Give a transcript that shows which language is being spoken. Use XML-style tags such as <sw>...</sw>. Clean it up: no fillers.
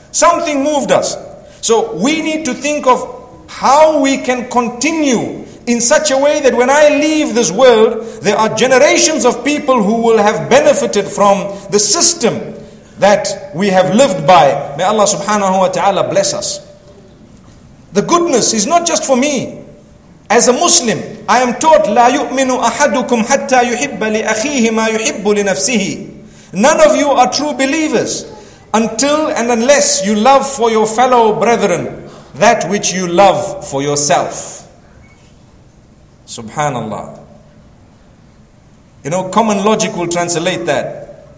<en>Something moved us. So we need to think of how we can continue in such a way that when I leave this world, there are generations of people who will have benefited from the system that we have lived by. May Allah subhanahu wa ta'ala bless us. The goodness is not just for me. As a Muslim, I am taught,</en> <ar>لا يؤمن أحدكم حتى يحب لأخيه ما يحب لنفسه.</ar> <en>None of you are true believers until and unless you love for your fellow brethren that which you love for yourself. Subhanallah. You know, common logic will translate that.</en>